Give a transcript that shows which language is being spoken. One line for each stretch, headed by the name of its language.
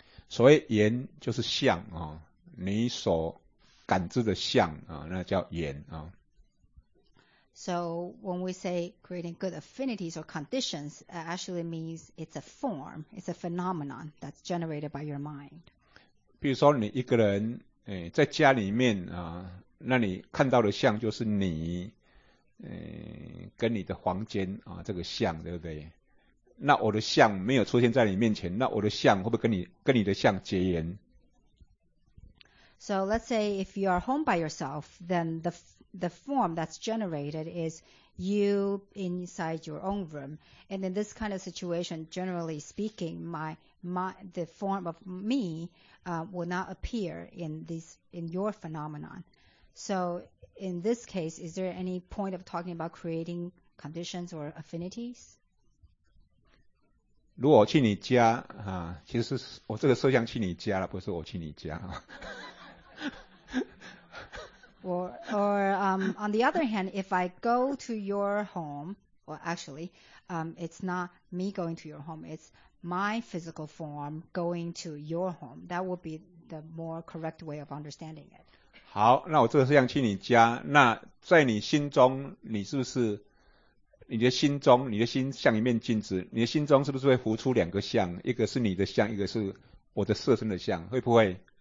Chinese: 所谓缘就是相、哦、你所感知的相啊，那叫缘啊。
English: So when we say creating good affinities or conditions, it actually means it's a form, it's a phenomenon that's generated by your mind.
Chinese: 比如说你一个人，在家里面啊，那你看到的相就是你，跟你的房间啊这个相，对不对？那我的相没有出现在你面前，那我的相会不会跟你的相结缘？
English: So let's say if you are home by yourself, then the form that's generated is you inside your own room. And in this kind of situation, generally speaking, the form of me will not appear in your phenomenon. So in this case, is there any point of talking about creating conditions or affinities?
Chinese: 如果我去你家啊，其实我这个设想去你家了，不是我去你家啊。
English: or on the other hand, if I go to your home, well, actually, it's not me going to your home. It's my physical form going to your home. That would be the more correct way of understanding it.
Chinese: 好，那我这个设想去你家，那在你心中，你是不是？你的心中，你的心像一面镜子，你的心中是不是会浮出两个像，一个是你的像，一个是我的色身的像，会不会？